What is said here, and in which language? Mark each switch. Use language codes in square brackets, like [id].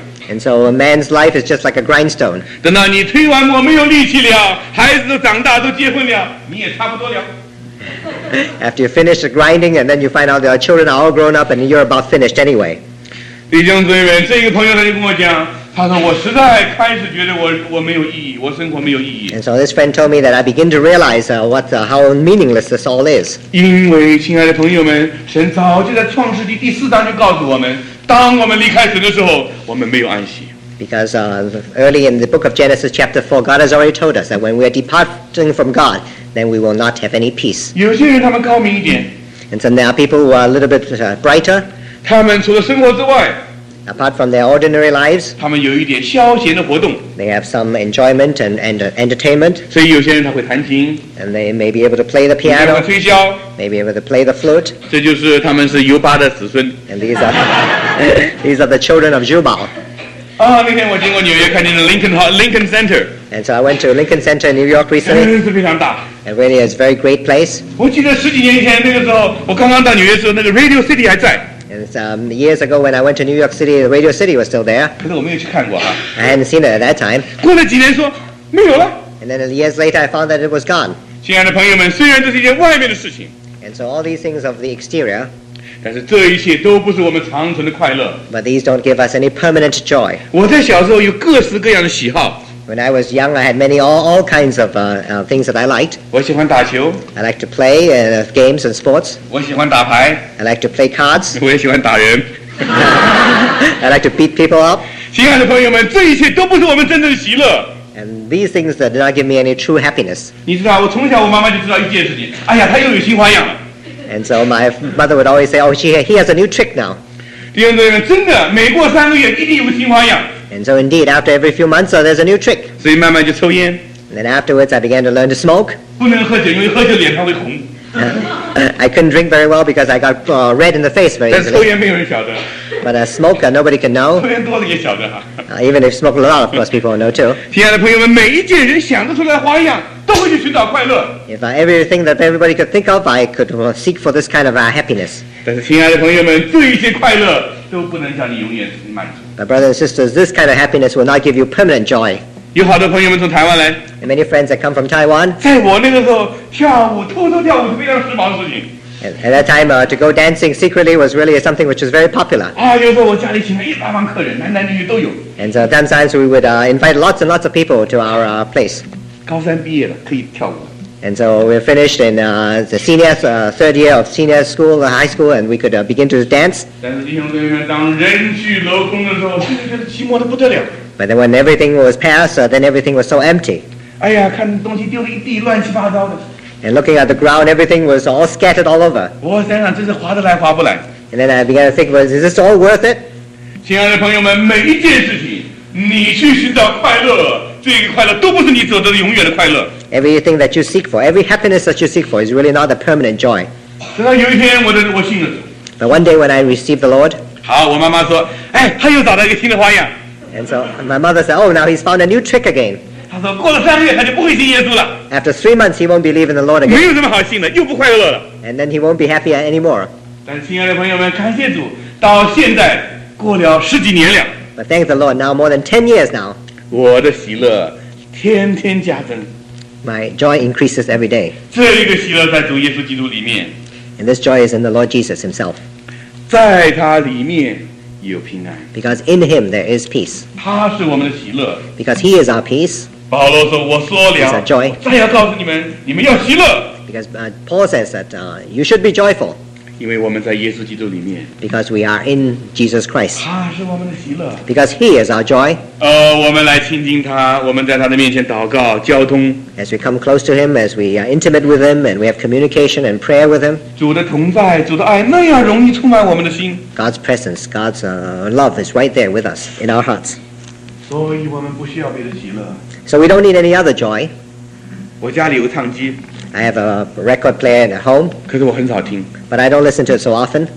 [en] And so a man's life is just like a grindstone. [zh] 等到你推完我没有力气了，孩子长大都结婚了，你也差不多了。 [en] After you finish the grinding, and then you find out that our children are all grown up, and you're about finished anyway. [zh] 弟兄姊妹，这个朋友他就跟我讲，他说我实在开始觉得我没有意义，我生活没有意义。 [en] And so this friend told me that I begin to realize how meaningless this all is. [zh] 因为亲爱的朋友们，神早就在创世纪第四章就告诉我们。当我们离开神的时候，我们没有安息。 [en] Because early in the book of Genesis, chapter 4, God has already told us that when we are departing from God, then we will not have any peace. [zh] 有些人他们高明一点。 [en] And so there are people who are a little bit brighter. [zh] 他们除了生活之外 [en] ，apart from their ordinary lives, [zh] 他们有一点消闲的活动。 [en] They have some enjoyment and entertainment. [zh] 所以有些人他会弹琴。 [en] And they may be able to play the piano. [zh] 推销。 [en] Maybe able to play the flute. [zh] 这就是他们是尤巴的子孙。 [en] And these are. These are the children of Zhubao. [zh] Ah, 那天我经过纽约，看见了 Lincoln Center. [en] And so I went to Lincoln Center in New York recently. [zh] 真是非常大。 [en] And really, it's a very great place. [zh] 我记得十几年前那个时候，我刚刚到纽约的时候，那个 Radio City 还在。 [en] And years ago, when I went to New York City, the Radio City was still there. [zh] 可是我没有去看过哈。 [en] I hadn't seen it at that time. [zh] 过了几年说没有了。 [en] And then years later, I found that it was gone. [zh] 亲爱的朋友们，虽然这是一件外面的事情。 [en] And so all these things of the exterior. [zh] 但是这一切都不是我们长存的快乐。 [en] But these don't give us any permanent joy. [zh] 我在小时候有各式各样的喜好。 [en] When I was young, I had many all kinds of things that I liked. [zh] 我喜欢打球。 [en] I like to play games and sports. [zh] 我喜欢打牌。 [en] I like to play cards. [zh] 我也喜欢打人。 [en] I like to beat people up. [zh] 亲爱的朋友们，这一切都不是我们真正的喜乐。 [en] And these things did not give me any true happiness. [zh] 你知道，我从小我妈妈就知道一件事情，哎呀，她又有新花样了。 [en] And so my mother would always say, oh, he has a new trick now. [zh] 弟兄姊妹们，真的，每过三个月一定有新花样。 [en] And so indeed, after every few months, there's a new trick. [zh] 所以慢慢就抽烟。 [en] And then afterwards, I began to learn to smoke. [zh] 不能喝酒，因为喝酒脸上会红。 [en] I couldn't drink very well because I got red in the face very easily. [zh] 但抽烟没有人晓得。 [en] But a smoker, nobody can know. [zh] 抽烟多了也晓得哈。 [en] Even if you smoke a lot, of course, people will know too. [zh] 亲爱的朋友们，每一件人想得出来花样。 [en] If everything that everybody could think of, I could seek for this kind of happiness. [zh] 但是亲爱的朋友们，这一些快乐都不能让你永远满足。 [en] But brothers and sisters, this kind of happiness will not give you permanent joy. [zh] 有好多朋友们从台湾来。 [en] And many friends that come from Taiwan. [zh] 在我那个时候，下午偷偷跳舞是非常时髦的事情。 [en] At that time, to go dancing secretly was really something which was very popular. [zh] 啊，有时候我家里请了一大帮客人，男男女女都有。 [en] And so sometimes we would invite lots and lots of people to our place. [zh] 高三毕业了，可以跳舞。 [en] And so we're finished in the senior third year of senior school, high school, and we could begin to dance. [zh] 但是弟兄姊妹，当人去楼空的时候，真的觉得寂寞的不得了。 [en] But then when everything was passed, then everything was so empty. [zh] 哎呀，看东西丢了一地，乱七八糟的。 [en] And looking at the ground, everything was all scattered all over. [zh] 我想想，这是划得来划不来。 [en] And then I began to think, was is this all worth it? [zh] 亲爱的朋友们，每一件事情，你去寻找快乐。这个快乐都不是你所得的永远的快乐。 [en] Everything that you seek for, every happiness that you seek for, is really not a permanent joy. [zh] 直到有一天我信了。 [en] But one day when I received the Lord. [zh] 好，我妈妈说，哎，他又找到一个新的花样。 [en] And so my mother said, oh, now he's found a new trick again. [zh] 他说过了三个月他就不会信耶稣了。 [en] After 3 months he won't believe in the Lord again. [zh] 没有什么好信的，又不快乐了。 [en] And then he won't be happy anymore. [zh] 但亲爱的朋友们，感谢主，到现在过了十几年了。 [en] But thank the Lord, now more than 10 years now. [zh] 我的喜乐天天加增。 [en] My joy increases every day. [zh] 这一个喜乐在主耶稣基督里面。 [en] And this joy is in the Lord Jesus himself. [zh] 在他里面有平安。 [en] Because in him there is peace. [zh] 他是我们的喜乐。 [en] Because he is our peace. [zh] 保罗说我说了。 [en] It's our joy. [zh] 再要告诉你们你们要喜乐。 [en] Because Paul says that you should be joyful. [zh] 因为我们在耶稣基督里面。 [en] Because we are in Jesus Christ. [zh] 他是我们的喜乐。 [en] Because he is our joy. [zh] 我们来亲近他，我们在他的面前祷告、交通。 [en] As we come close to him, as we are intimate with him, and we have communication and prayer with him. [zh] 主的同在，主的爱，那样容易充满我们的心。 [en] God's presence, God's love is right there with us, in our hearts. [zh] 所以我们不需要别的喜乐。 [en] So we don't need any other joy. [zh] 我家里有唱机。 [en] I have a record player at home. [zh] 可是我很少听。 [en] But I don't listen to it so often.